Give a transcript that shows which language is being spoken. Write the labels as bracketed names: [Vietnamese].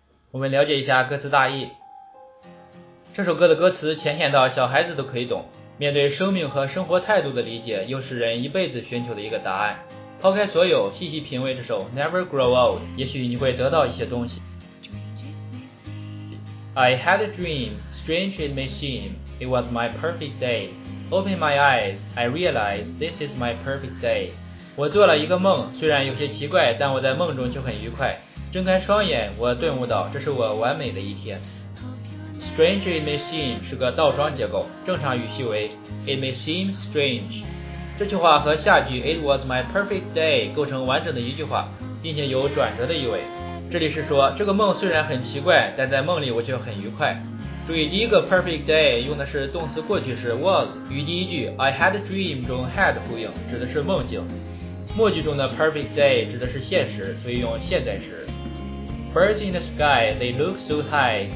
[Chinese] 我们了解一下歌词大意。这首歌的歌词浅显到小孩子都可以懂，面对生命和生活态度的理解又是人一辈子寻求的一个答案。抛开所有，细细品味这首 Never Grow Old， 也许你会得到一些东西。 [English] I had a dream, strange it may seem, it was my perfect day. Open my eyes, I realize this is my perfect day. [Chinese] 我做了一个梦，虽然有些奇怪，但我在梦中就很愉快。睁开双眼，我顿悟到这是我完美的一天。 [English] Strange it may seem [Chinese] 是个倒装结构，正常语序为 [English] It may seem strange。 [Chinese] 这句话和下句 [English] It was my perfect day [Chinese] 构成完整的一句话，并且有转折的意味。这里是说这个梦虽然很奇怪，但在梦里我却很愉快。注意第一个 perfect day 用的是动词过去式 was， 与第一句 [English] I had a dream [Chinese] 中 had 呼应，指的是梦境。末句中的 perfect day 指的是现实，所以用现在时。 [English] Birds in the sky, they look so high.